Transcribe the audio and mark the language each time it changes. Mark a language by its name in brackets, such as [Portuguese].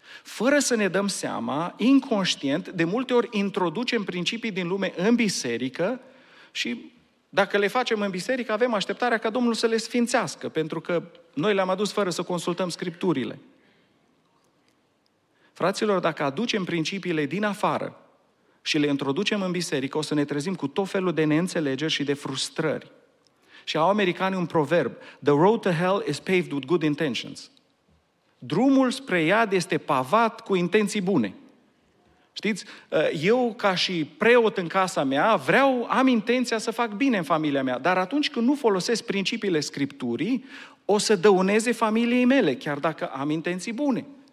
[Romanian] Fără să ne dăm seama, inconștient, de multe ori introducem principii din lume în biserică și dacă le facem în biserică, avem așteptarea ca Domnul să le sfințească, pentru că noi le-am adus fără să consultăm scripturile. Fraților, dacă aducem principiile din afară și le introducem în biserică, o să ne trezim cu tot felul de neînțelegeri și de frustrări. Și au americanii un proverb, [English] "The road to hell is paved with good intentions." [Romanian] Drumul spre iad este pavat cu intenții bune. Știți, eu ca și preot în casa mea, vreau, am intenția să fac bine în familia mea, dar atunci când nu folosesc principiile Scripturii, o să dăuneze familiei mele, chiar dacă am intenții bune.